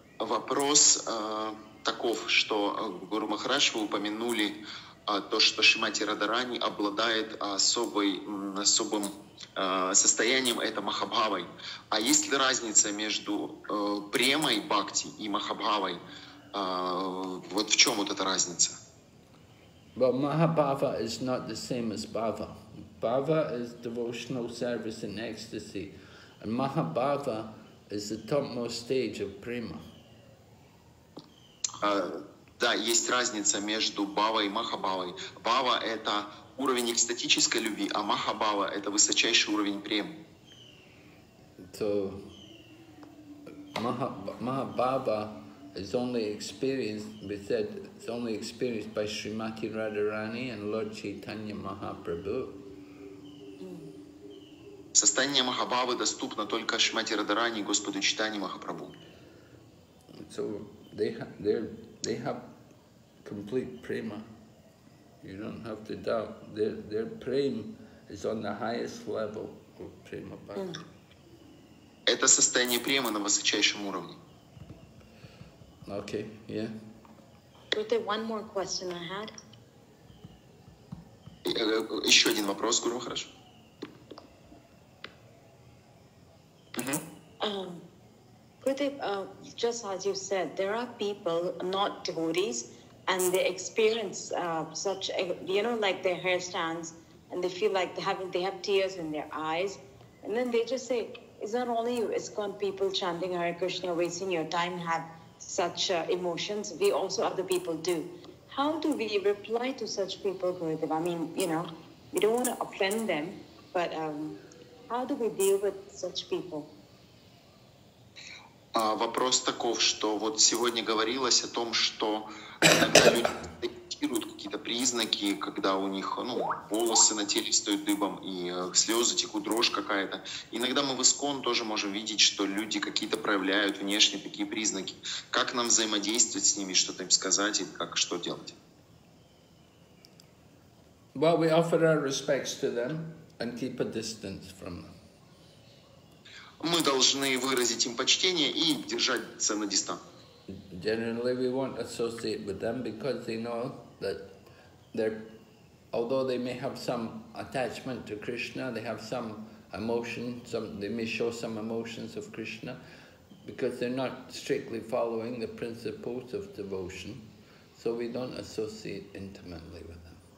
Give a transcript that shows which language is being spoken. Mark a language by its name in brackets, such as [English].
[Russian] Вопрос таков, что Гуру Махарадж, вы упомянули то, что Шримати Радарани обладает особым состоянием, это Махабхавой. А есть ли разница между премой Бхакти и Махабхавой? Вот в чем вот эта разница? [English] Well, Mahabhava is not the same as Bhava. Bhava is devotional service in ecstasy. And Mahabhava is the topmost stage of prema. [Russian] Да, есть разница между Бхавой и Махабхавой. Бхава — это уровень экстатической любви, а Махабхава — это высочайший уровень премы. [English] So, Mahabhava is only experienced, we said, it's only experienced by Srimati Radharani and Lord Chaitanya Mahaprabhu. [Russian] Состояние Махабхавы доступно только Шримати Радарани и Господу Чайтанье Махапрабху. [English] So, they have complete prema. You don't have to doubt. Their prema is on the highest level of prema bhakti. [Russian] Это состояние премы на высочайшем уровне. [English] Okay, yeah. Gurudev, there one more question I had. [Russian] Еще один вопрос, Гуру, хорошо. [English] Gurudev, just as you said, there are people, not devotees, and they experience such, you know, like their hair stands, and they feel like they have tears in their eyes, and then they just say, "It's not only you, ISKCON people chanting Hare Krishna, wasting your time, have such emotions. We also, other people do." How do we reply to such people, Gurudev? I mean, you know, we don't want to offend them, but how do we deal with such people? [Russian] Вопрос таков, что вот сегодня говорилось о том, что иногда люди детектируют какие-то признаки, когда у них, ну, волосы на теле стоят дыбом, и слезы текут, дрожь какая-то. Иногда мы в ИСКОН тоже можем видеть, что люди какие-то проявляют внешние такие признаки. Как нам взаимодействовать с ними, что-то им сказать, и как, что делать? [English] Well, we offer our respects to them and keep a distance from them. [Russian] Мы должны выразить им почтение и держаться на дистанции. [English] Generally, we won't associate with them because they know that they're, although they may have some attachment to Krishna, they have some emotion, they may show some emotions of Krishna, because they're not strictly following the principles of devotion, so we don't associate intimately with them.